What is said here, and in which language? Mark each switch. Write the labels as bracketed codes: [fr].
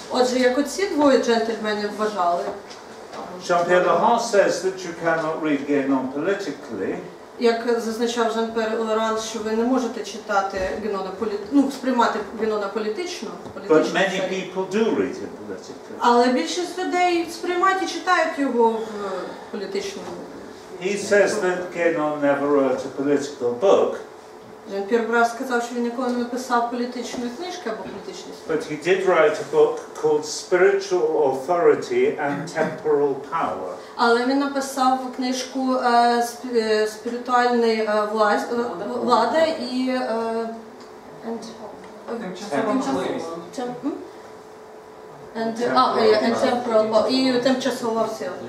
[uk] Отже, як оці двоє джентльменів вважали. [en] Jean-Pierre Laurent says that you cannot read Genon politically. [uk] Як зазначав Жан-Пьер Лоран, що ви не можете читати Генона сприймати Генона політично. [en] But many people do read him politically. [uk] Але більшість людей сприймають і читають його в політичному. [en] He says that Genon never wrote a political book. [uk] Він перший раз сказав, що він ніколи не написав політичну книжку або політичну книжку. [en] But he did write a book called Spiritual Authority and Temporal Power. [uk] Але він написав книжку «Спіритуальна влада» і «Темпорал влада».